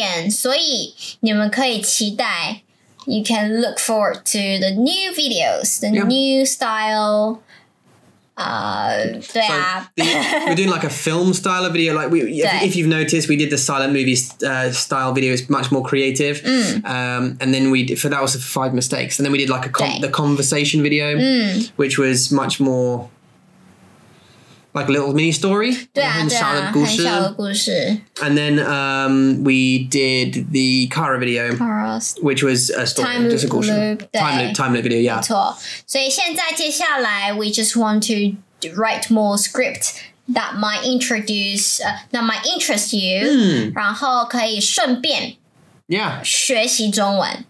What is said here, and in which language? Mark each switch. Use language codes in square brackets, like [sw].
[zh] 我们接下来要做的影片，所以你们可以期待。 [en] You can look forward to the new videos, the new style [zh] 对啊。 [en] So, we're doing like a film style of video. Like, if you've noticed, we did the silent movie style video. It's much more creative. Mm. And then we did, for that was five mistakes. And then we did like the conversation video, mm. which was much more like a little mini story. [zh] 对啊,很小的故事。 [en] And then we did the Kara video, which was a story, time loop video, yeah. [zh] 没错。所以现在接下来, [en] we just want to write more script that might introduce, that might interest you, mm. [zh] 然后可以顺便 学习中文。